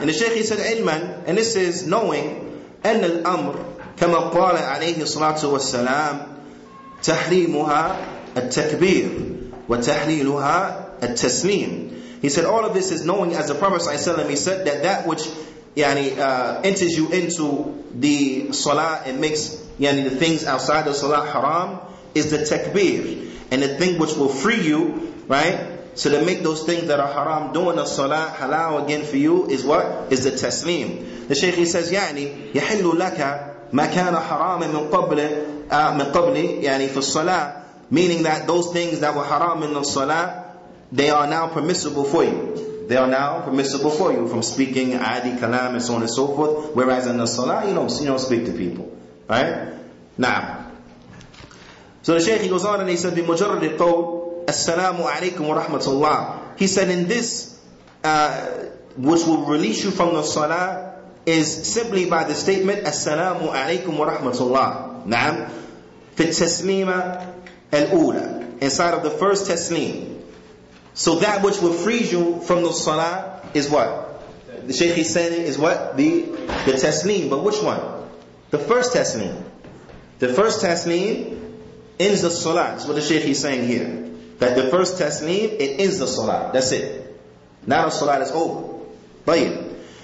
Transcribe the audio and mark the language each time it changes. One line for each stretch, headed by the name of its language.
English: And the Shaykh, he said,
Arabic: علماً,
English: and this is knowing,
Arabic: أن الأمر كما قال عليه الصلاة والسلام تحريمها التكبير وتحليلها التسليم.
English: He said, all of this is knowing, as the Prophet ﷺ, he said, that which enters you into the salah and makes the things outside the salah haram is the takbir, and the thing which will free you, right, so to make those things that are haram doing the salah halal again for you is what? Is the taslim. The Shaykh, he says,
Arabic: يعني يحل لك ما كان حراما من قبل يعني في الصلاة,
English: meaning that those things that were haram in the salah, they are now permissible for you. They are now permissible for you from speaking adi kalam and so on and so forth. Whereas in the salah, you don't speak to people, right? Now, so the Shaykh, he goes on and he said,
Arabic: بمجرد قول السلام عليكم ورحمة الله.
English: He said, in this, which will release you from the salah, is simply by the statement
Arabic: السلام عليكم ورحمة الله. نعم. في التسليمة الأولى,
English: inside of the first taslim. So that which will free you from the salah is what? The Shaykh is saying is what? The taslim. But which one? The first taslim. The first taslim ends the salah. That's what the Shaykh is saying here. That the first taslim, it ends the salah. That's it. Now the salah is over. طيب.